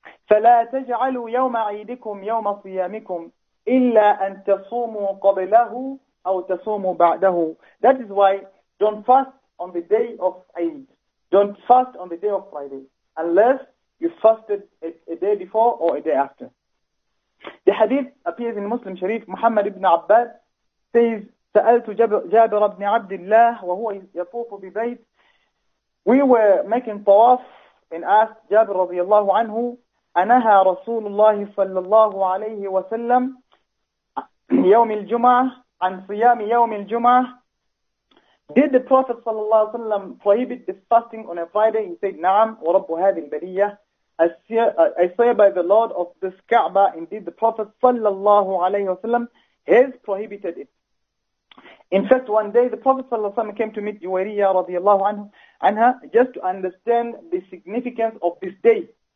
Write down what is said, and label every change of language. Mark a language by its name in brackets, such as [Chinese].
[Arabic] فَلَا تَجْعَلُوا يَوْمَ عِيدِكُمْ يَوْمَ صِيَامِكُمْ إِلَّا أَن تَصُومُوا قَبْلَهُ أَوْ تَصُومُوا بَعْدَهُ. [English] That is why don't fast on the day of Eid. Don't fast on the day of Friday unless you fasted a day before or a day after. The hadith appears in Muslim Sharif. [Arabic] Muhammad ibn Abbas says, سَأَلْتُ جَابِرَ بْنِ عَبْدِ اللَّهِ وَهُوَ يَطُوفُ بِبَيْتِ. [English] We were making tawaf and asked Jabir [Arabic] رضي الله عنه, أَنَهَا رَسُولُ اللَّهِ صَلَّى اللَّهُ عَلَيْهِ وَسَلَّمْ يوم الجمعة عن صيام يوم الجمعة. [English] Did the Prophet sallallahu alaihi wasallam prohibit the fasting on a Friday? He said, [Arabic] "Naam, wa rabbu hadhihi al-bariyah." [English] I swear by the Lord of this Kaaba, indeed the Prophet sallallahu alaihi wasallam has prohibited it. In fact, one day the Prophet sallallahu alaihi wasallam came to meet Juwayriyah radiyallahu anha just to understand the significance of this day.